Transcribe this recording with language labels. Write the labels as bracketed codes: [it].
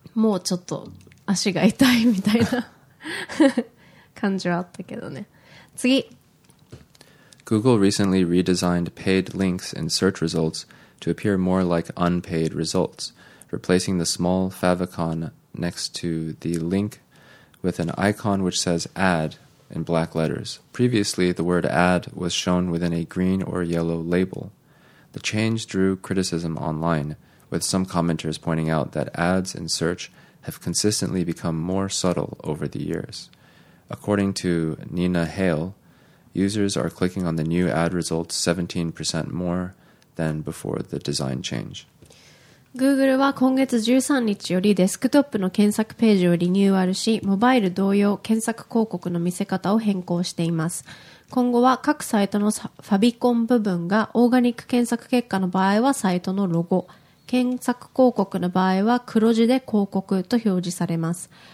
[ja] もうちょっと足が痛いみたいな感じはあったけどね。次。 [en] Google recently redesigned paid links in search results to appear more like unpaid results, replacing the small favicon next to the link with an icon which says add in black letters. Previously, the word add was shown within a green or yellow label. The change drew criticism online, with some commenters pointing out that ads in search have consistently become more subtle over the years. According to Nina Hale, users are clicking on the new ad results 17% more than before the design change. [ja] Google は今月13日よりデスクトップの検索ページをリニューアルし、モバイル同様検索広告の見せ方を変更しています。今後は各サイトのファビコン部分がオーガニック検索結果の場合はサイトのロゴ、検索広告の場合は黒字で広告と表示されます。